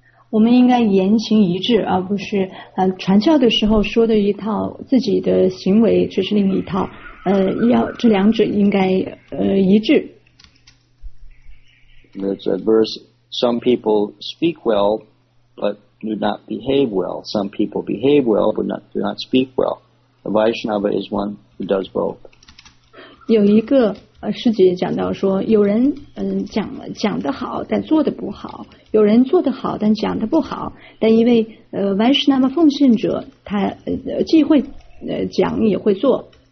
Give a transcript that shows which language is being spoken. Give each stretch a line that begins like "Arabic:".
Chinese: 我们应该言行一致，而不是传教的时候说的一套，自己的行为却是另一套。要这两者应该一致。
English: There's a verse: some people speak well, but do not behave well. Some people behave well, but do not speak well. The Vaishnava is one who does both.
Chinese: 有一个。师姐讲到说，有人讲得好，但做得不好；有人做得好，但讲得不好。但一位Vaishnava奉献者，他既会讲也会做。